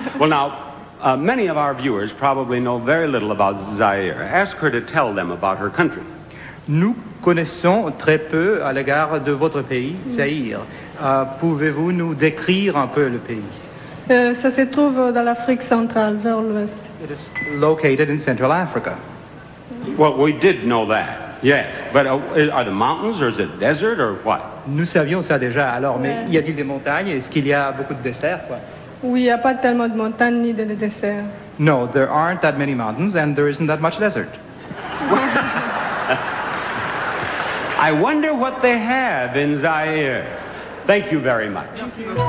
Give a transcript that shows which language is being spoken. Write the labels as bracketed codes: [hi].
[en] Well, now, many of our viewers probably know very little about Zaire. Ask her to tell them about her country. [fr] Nous connaissons très peu à l'égard de votre pays, Zaire. Pouvez-vous nous décrire un peu le pays? Ça se trouve dans l'Afrique centrale, vers l'ouest. [en] It is located in Central Africa. Well, we did know that, yes. But are the mountains, or is it desert, or what? [fr] Nous savions ça déjà, alors, mais y a-t-il des montagnes? Est-ce qu'il y a beaucoup de déserts, quoi? Oui, il n'y a pas tellement de montagnes ni de déserts. [en] No, there aren't that many mountains, and there isn't that much desert. I wonder what they have in Zaire. Thank you very much. Thank you.